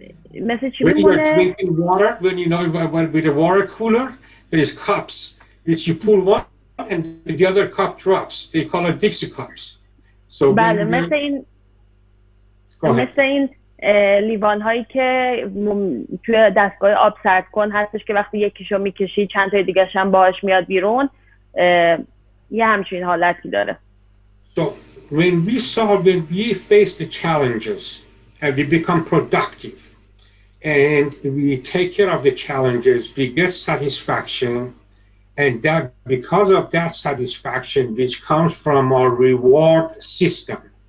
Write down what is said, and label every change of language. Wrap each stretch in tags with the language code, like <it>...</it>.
<en>When you know with the water cooler, there is cups which you pull one and the other cup drops. They call it Dixie cups. So.</en> <fa>بله مثل این مثل این لیوان هایی که توی دستگاه آب سرد کن هستش که وقتی یکیشو میکشی چند تا دیگه‌ش هم باهاش میاد بیرون یه همچین حالتی داره.</fa> <en>When we solve, when we face the challenges, and we become productive, and we take care of the challenges, we get satisfaction, and that because of that satisfaction, which comes from our reward system.</en>